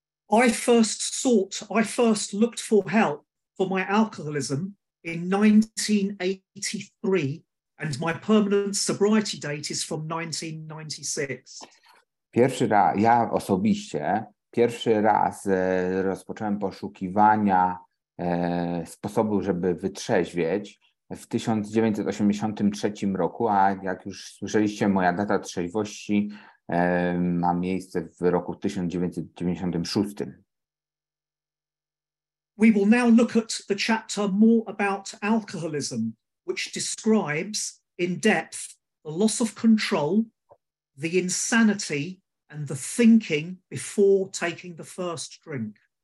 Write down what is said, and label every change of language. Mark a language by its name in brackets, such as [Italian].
[English] I first looked for help for my alcoholism in 1983, and my permanent sobriety date is from 1996. [Polish] Pierwszy raz, ja osobiście, pierwszy raz rozpocząłem poszukiwania sposobu, żeby wytrzeźwieć w 1983 roku, a jak już słyszeliście, moja data trzeźwości ma miejsce w roku 1996. [English] We will now look at the chapter More About Alcoholism, which describes in depth the loss of control, the insanity, and the thinking before taking the first drink.